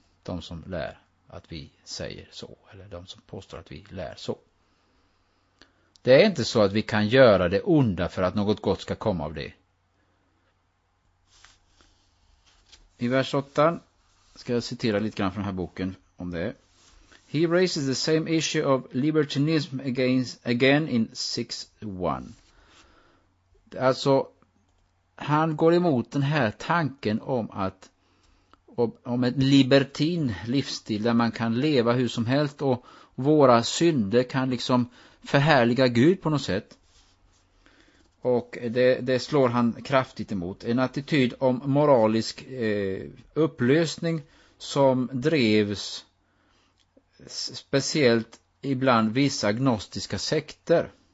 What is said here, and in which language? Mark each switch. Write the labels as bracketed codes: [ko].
[sv] De som lär att vi säger så. Eller de som påstår att vi lär så. Det är inte så att vi kan göra det onda för att något gott ska komma av det. I vers 8 ska jag citera lite grann från den här boken om det. [en] He raises the same issue of libertinism again in 6:1. [sv] Alltså, han går emot den här tanken om att om ett libertin livsstil där man kan leva hur som helst och våra synder kan liksom förhärliga Gud på något sätt. Och det slår han kraftigt emot. En attityd om moralisk upplösning som drevs speciellt ibland vissa gnostiska sekter.